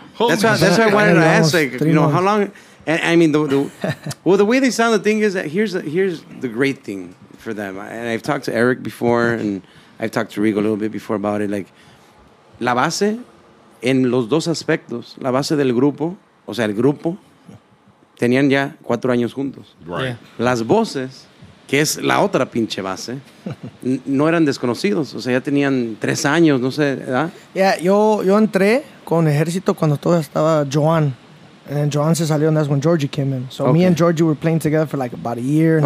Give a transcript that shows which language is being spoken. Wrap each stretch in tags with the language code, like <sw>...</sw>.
<en>Holy that's why I wanted to ask, like, you know, months. How long? And I mean, well, the way they sound, the thing is that here's the great thing for them. And I've talked to Eric before, and I've talked to Rigo a little bit before about it. Like,</en> <es>la base en los dos aspectos, la base del grupo, o sea, el grupo, tenían ya 4 años juntos.</es> <en>Right. Yeah.</en> <es>Las voces, que es la otra pinche base, no eran desconocidos. O sea, ya tenían 3 años, no sé, ¿verdad? Yeah, yo entré con Ejercito cuando todavía estaba Joan.</es> <en>And then Joan</en> <es>se salió,</es> <en>and that's when Georgie came in. So okay. Me and Georgie were playing together for like about a year and</en>